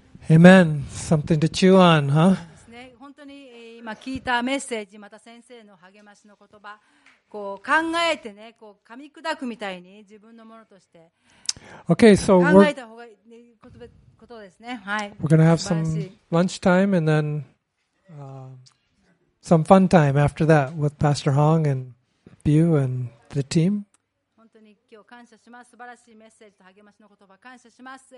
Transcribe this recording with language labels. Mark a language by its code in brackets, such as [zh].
[en] Amen. Something to chew on, huh? [ja] ですね。本当に今聞いたメッセージ、また先生の励ましの言葉。こう考えてね、こう噛み砕くみたいに自分のものとして考えた方がいいことですね。はい。 [en] We're gonna have some lunchtime and then some fun time after that with Pastor Hong and Bu and the team. [ja] 本当に今日感謝します。素晴らしいメッセージと励ましの言葉感謝します。